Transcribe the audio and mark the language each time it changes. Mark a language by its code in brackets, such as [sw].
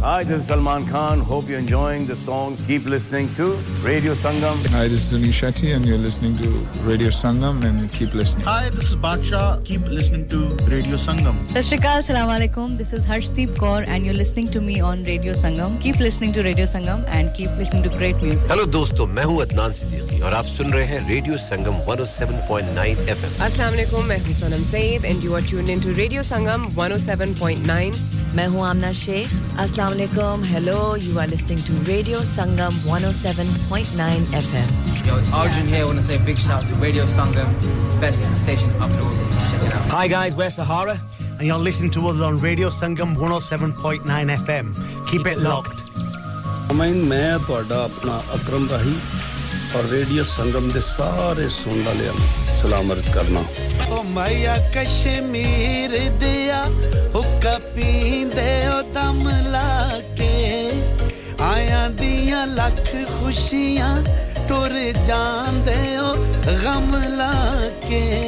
[en] Hi, this is Salman Khan. Hope you're enjoying the songs. Keep listening to Radio Sangam. Hi, this is Anish Shetty and you're listening to Radio Sangam and keep listening. Hi, this is Baksha. Keep listening to Radio Sangam. Sat Sri Akal, Assalamu Alaikum. This is Harshdeep Kaur and you're listening to me on Radio Sangam. Keep listening to Radio Sangam and keep listening to great music. [ur] Hello, dosto. میں ہوں عدنان صدیقی اور آپ سن رہے ہیں radio سنگم 107.9 FM السلام علیکم میں ہوں [en] Sonam Saeed and you are tuned into radio Sangam 107.9 [ur] میں ہوں [en] Amna Shaikh [ur] السلام علیکم [en] hello you are listening to radio Sangam 107.9 FM yo it's Arjun here I want to say a big shout out to radio Sangam best station up north check it out hi guys we're Sahara and you're listening to us on radio Sangam 107.9 FM keep it locked [pa] ਮੈਂ ਤੁਹਾਡਾ ਆਪਣਾ ਅਕਰਮ ਰਹੀ ਔਰ radio ਸੰਗਮ ਦੇ ਸਾਰੇ ਸੁਣ ਵਾਲਿਆਂ ਨੂੰ ਸਲਾਮ ਅਰਜ਼ ਕਰਨਾ ਓ ਮਈਆ ਕਸ਼ਮੀਰ ਦਿਆ ਹੁੱਕਾ ਪੀਂਦੇ ਓ ਦਮ ਲਾ ਕੇ ਆਇਆਂ ਦੀਆਂ ਲੱਖ ਖੁਸ਼ੀਆਂ ਟੁਰ ਜਾਂਦੇ ਓ ਗਮ ਲਾ ਕੇ